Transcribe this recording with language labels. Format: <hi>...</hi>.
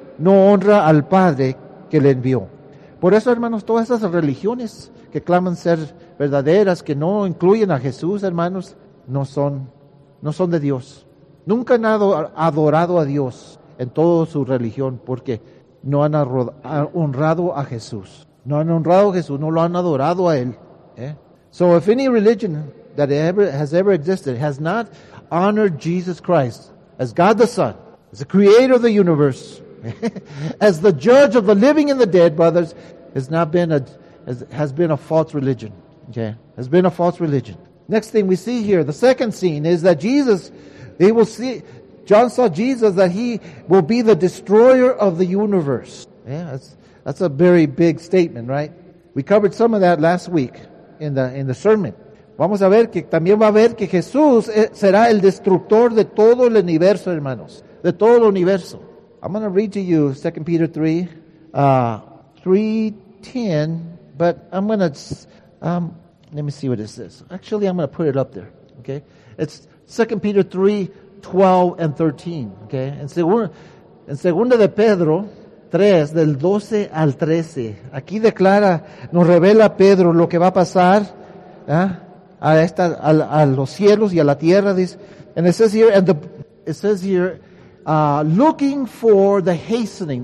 <es>no honra al Padre que le envió. Por eso, hermanos, todas esas religiones que claman ser verdaderas, que no incluyen a Jesús, hermanos, no son de Dios. Nunca han adorado a Dios en toda su religión porque no han honrado a Jesús. No han honrado a Jesús, no lo han adorado a Él.</es> <en>So if any religion that has ever existed has not honored Jesus Christ as God the Son, as the creator of the universe, as the judge of the living and the dead, brothers, has been a false religion. Okay? Has been a false religion. Next thing we see here, the second scene is that John saw Jesus that he will be the destroyer of the universe. Yeah, that's a very big statement, right? We covered some of that last week in the sermon.</en> <es>Vamos a ver que también va a ver que Jesús será el destructor de todo el universo, hermanos. De todo el universo.</es> <en>I'm going to read to you 2 Peter 3:10, but I'm going to, let me see what it says. Actually, I'm going to put it up there, okay? It's 2 Peter 3:12-13, okay?</en> <es>En segunda de Pedro 3, del 12 al 13, aquí declara, nos revela Pedro lo que va a pasar, a los cielos y a la tierra, dice,</es> <en>and it says here, looking for the hastening.</en>